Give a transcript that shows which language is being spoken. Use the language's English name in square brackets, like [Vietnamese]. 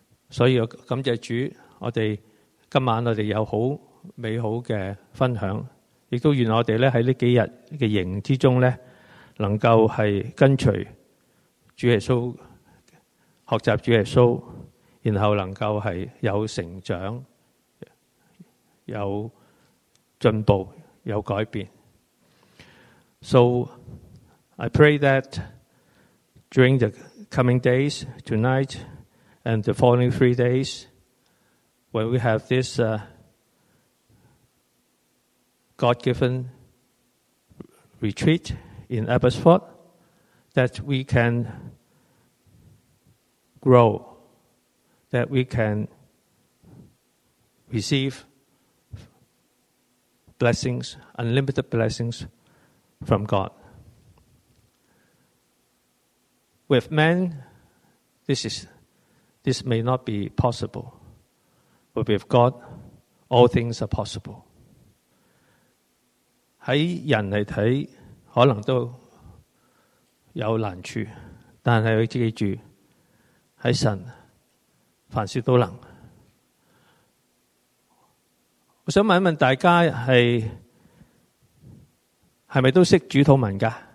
[Chinese] 所以感谢主，我们今晚我们有很美好的分享，亦都愿我们在这几天的营之中呢，能够是跟随主耶稣学习主耶稣，然后能够是有成长、有进步、有改变。 [English] So I pray that during the coming days, tonight and the following 3 days, when we have this God-given retreat in Abbotsford, that we can grow, that we can receive blessings, unlimited blessings from God. With men, this may not be possible, but with God, all things are possible. [Chinese] 在人来看，可能都有难处，但是要记住，在神凡事都能。我想问一问大家，是不是都识主祷文的？